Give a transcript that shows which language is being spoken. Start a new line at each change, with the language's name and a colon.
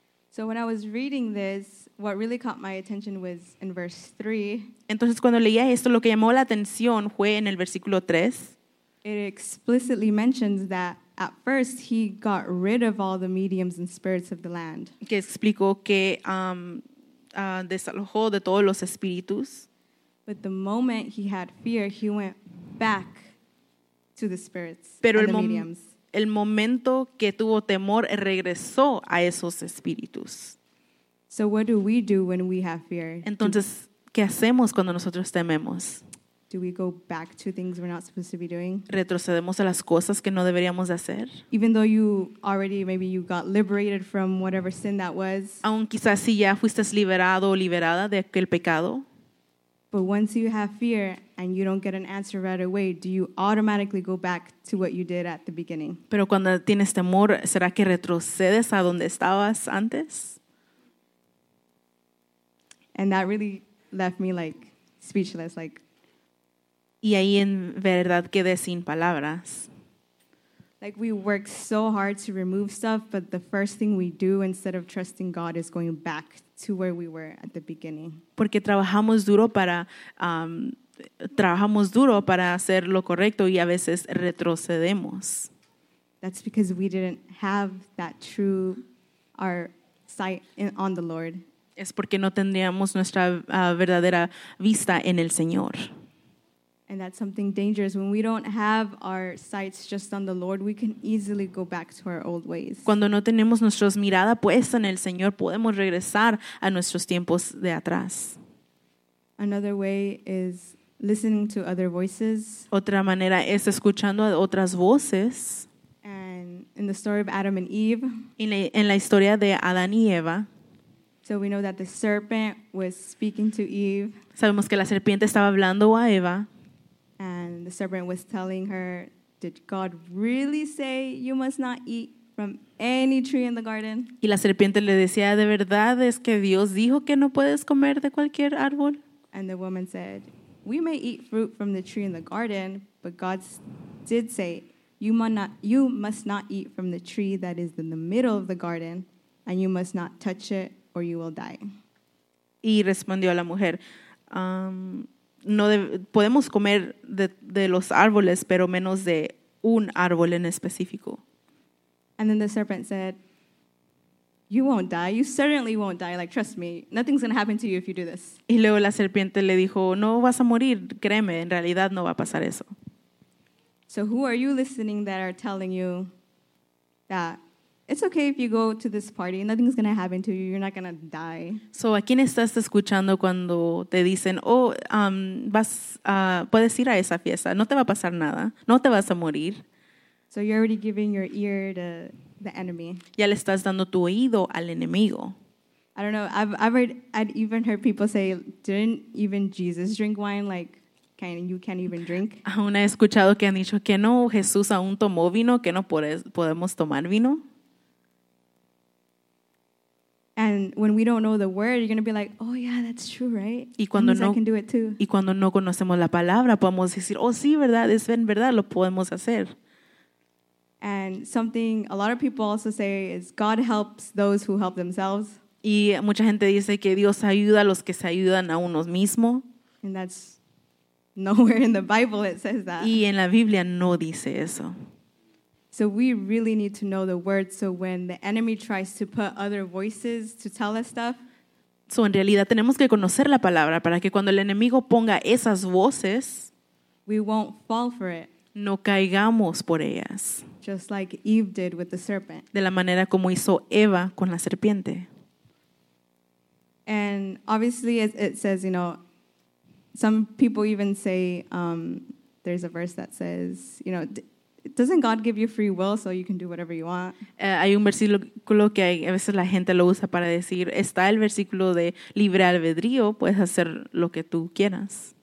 English: So when I was reading this, what really caught my attention was in verse 3.
Spanish: Entonces cuando leía esto, lo que llamó la atención fue en el versículo 3.
English: It explicitly mentions that at first, he got rid of all the mediums and spirits of the land.
Spanish: Que explicó que desalojó de todos los espíritus.
English: But the moment he had fear, he went back to the spirits
Spanish: Pero
English: and
Spanish: el
English: the mediums.
Spanish: El momento que tuvo temor, regresó a esos espíritus.
English: So what do we do when we have fear?
Spanish: Entonces, ¿qué hacemos cuando nosotros tememos?
English: Do we go back to things we're not supposed to be doing?
Spanish: ¿Retrocedemos a las cosas que no deberíamos de hacer?
English: Even though you already, maybe you got liberated from whatever sin that was.
Spanish: Aún quizás si ya fuiste liberado o liberada de aquel pecado.
English: But once you have fear and you don't get an answer right away, do you automatically go back to what you did at the beginning?
Spanish: Pero cuando tienes temor, ¿será que retrocedes a donde estabas antes?
English: And that really left me like speechless, like.
Spanish: Y ahí en verdad quedé sin palabras.
English: Like we work so hard to remove stuff, but the first thing we do instead of trusting God is going back to where we were at the beginning.
Spanish: Porque trabajamos duro para hacer lo correcto y a veces retrocedemos.
English: That's because we didn't have that true our sight in, on the Lord.
Spanish: Es porque no tendríamos nuestra verdadera vista en el Señor.
English: And that's something dangerous. When we don't have our sights just on the Lord, we can easily go back to our old ways.
Spanish: Cuando no tenemos nuestra mirada puesta en el Señor, podemos regresar a nuestros tiempos de atrás.
English: Another way is listening to other voices.
Spanish: Otra manera es escuchando a otras voces.
English: And in the story of Adam and Eve.
Spanish: En la historia de Adán y Eva.
English: So we know that the serpent was speaking to Eve.
Spanish: Sabemos que la serpiente estaba hablando a Eva.
English: And the serpent was telling her, did God really say you must not eat from any tree in the garden?
Spanish: Y la serpiente le decía, ¿de verdad es que Dios dijo que no puedes comer de cualquier árbol?
English: And the woman said, we may eat fruit from the tree in the garden, but God did say, you must not eat from the tree that is in the middle of the garden, and you must not touch it or you will die.
Spanish: Y respondió a la mujer, podemos comer de los árboles, pero menos de un árbol en específico.
English: And then the serpent said, you won't die. You certainly won't die. Like, trust me, nothing's going to happen to you if you do this.
Spanish: Y luego la serpiente le dijo, no vas a morir. Créeme, en realidad no va a pasar eso.
English: So who are you listening that are telling you that it's okay if you go to this party, nothing's going to happen to you, you're not going to die?
Spanish: So, ¿a quién estás escuchando cuando te dicen, puedes ir a esa fiesta, no te va a pasar nada, no te vas a morir?
English: So, you're already giving your ear to the enemy.
Spanish: Ya le estás dando tu oído al enemigo.
English: I don't know, I've even heard people say, didn't even Jesus drink wine, like, you can't even drink?
Spanish: Aún he escuchado que han dicho que no, Jesús aún tomó vino, que no podemos tomar vino.
English: And when we don't know the word, you're going to be like, oh yeah, that's true, right?
Spanish: Y cuando
English: no, I can do it too.
Spanish: Y cuando no conocemos la palabra, podemos decir, oh sí, verdad, es en verdad, lo podemos hacer.
English: And something a lot of people also say is God helps those who help themselves.
Spanish: Y mucha gente dice que Dios ayuda a los que se ayudan a unos mismos.
English: And that's nowhere in the Bible it says that.
Spanish: Y en la Biblia no dice eso.
English: So we really need to know the word so when the enemy tries to put other voices to tell us stuff.
Spanish: So en realidad tenemos que conocer la palabra para que cuando el enemigo ponga esas voces,
English: we won't fall for it.
Spanish: No caigamos por ellas.
English: Just like Eve did with the serpent.
Spanish: De la manera como hizo Eva con la serpiente.
English: And obviously it says, you know, some people even say, there's a verse that says, you know, doesn't God give you free will so you can do whatever you want?
Spanish: Hay un versículo que a veces la gente lo usa para decir, está el versículo de libre albedrío, puedes hacer lo que tú quieras.